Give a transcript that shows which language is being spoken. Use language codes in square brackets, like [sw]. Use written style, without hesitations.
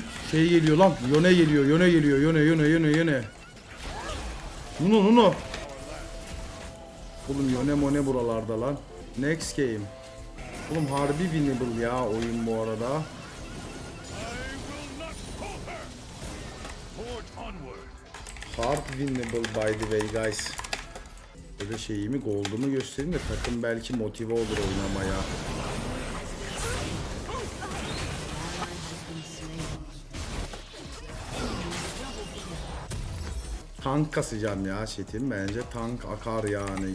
[tr] Şey geliyor lan, Yone geliyor, Yone geliyor, Yone, Yone, Yone, Yone. Nunu, Nunu. Oğlum Yone mone buralarda lan. [en] Next game. [tr] Oğlum harbi winnable ya oyun bu arada. [en] Hard winnable by the way guys. [tr] Böyle şeyimi, gold'umu göstereyim de takım belki motive olur oynamaya. Tank kasacağım ya Çetin. Bence tank akar yani.